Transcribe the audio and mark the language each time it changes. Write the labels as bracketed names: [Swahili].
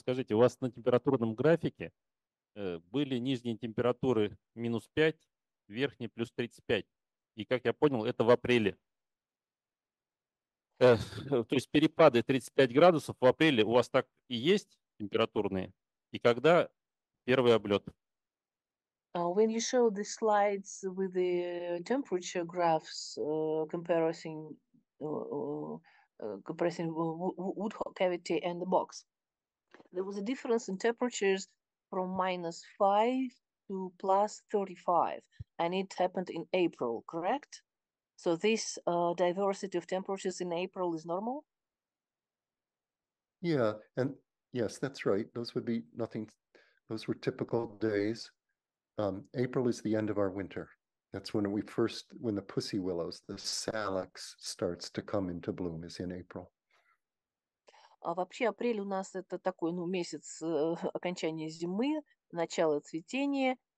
[Russian] Скажите, у вас на температурном графике были нижние температуры минус 5, верхние плюс 35. И, как я понял, это в апреле. То есть перепады 35 градусов в апреле у вас так и есть температурные? И когда первый облет? [English] When you show the slides with the temperature graphs comparing wood cavity and the box, there was a difference in temperatures from minus 5 to plus 35, and it happened in April, correct? So this diversity of temperatures in April is normal? Yeah, and yes, that's right. Those would be nothing. Those were typical days. April is the end of our winter. That's when we first, when the pussy willows, the salix starts to come into bloom is in April. [Russian] А вообще апрель у нас это такой, ну, месяц окончания зимы, начало цветения.